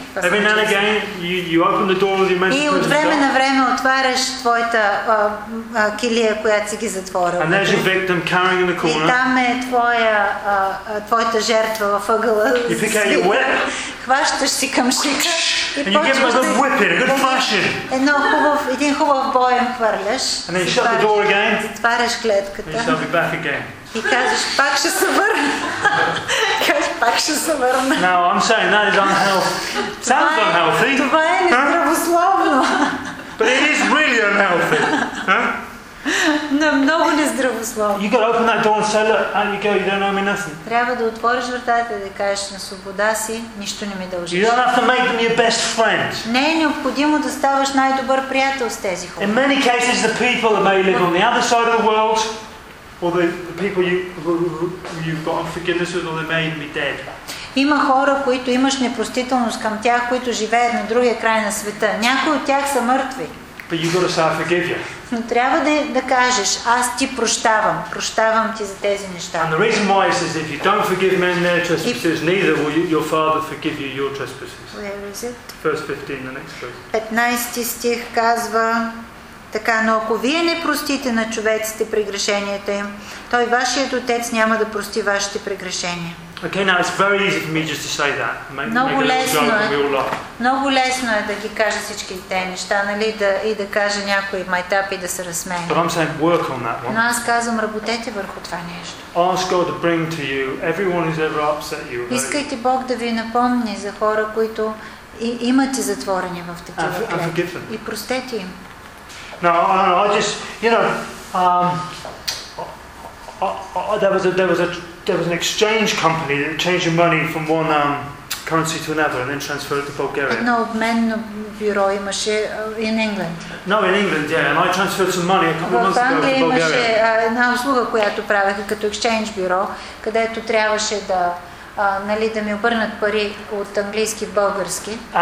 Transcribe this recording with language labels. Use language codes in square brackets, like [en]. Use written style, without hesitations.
[en] Every now and again, you open the door of your mental prison. [bg] И от време на време отваряш твоята килия, която си ги затворил. [en] And there's your victim carrying in the corner. [bg] И там е твоята жертва в ъгъла. [en] You pick out your whip. [bg] Хващаш си камшика. [en] And you give them a good whip in, a good fashion. [bg] Едно хубав, един хубав бой им хвърляш. [en] And then you shut the door again. [bg] Затваряш клетката. [en] And you shall be back again. [bg] И казваш: пак ще се върна. Казваш: пак ще се върна. [en] Now I'm saying that is unhealthy. Sounds unhealthy. [bg] Това е нездравословно. [en] But it is really unhealthy. [bg] Но много нездравословно. [en] You got to open that door and say, look, out you go, you don't owe me nothing. [bg] Трябва да отвориш вратата и да кажеш: на свобода си, нищо не ми дължиш. [en] You don't have to make me your best friend. [bg] Не е необходимо да ставаш най-добър приятел с тези хора. [en] In many cases, the people that may live on the other side of the world, or the people you've got unforgiveness with, or they may be dead. [bg] Има хора, които имаш непростителност към тях, които живеят на другия край на света. Някои от тях са мъртви. [en] But you've got to say, I forgive you. [bg] Но трябва да кажеш: аз ти прощавам. Прощавам ти за тези неща. [en] And the reason why is if you don't forgive men their trespasses, neither will your father forgive you your trespasses. Where is it? First 15, the next verse. [bg] 15 стих казва така: но ако вие не простите на човеците прегрешенията им, той вашият отец няма да прости вашите прегрешения. [en] Okay, now it's very easy for me just to say that. [bg] Много лесно е. Много лесно е да ги кажа всички тези неща, нали, да кажа някой майтап и да се разсмее. [en] But I'm saying work on that one. [bg] Но аз казвам: работете върху това нещо. [en] Ask God to bring to you everyone who's ever upset you. [bg] Искайте Бог да ви напомни за хора, които имате затворени в такива клетки. И простете им. [en] No, there was an exchange company that changed the money from one currency to another and then transferred it to Bulgaria. [bg] Едно обменно бюро имаше [en] in England. No, in England, yeah, and I transferred some money a couple of months ago to Bulgaria. [bg] Там имаше една услуга, която правеха като exchange бюро, където трябваше да нали да ми обърнат пари от английски в български.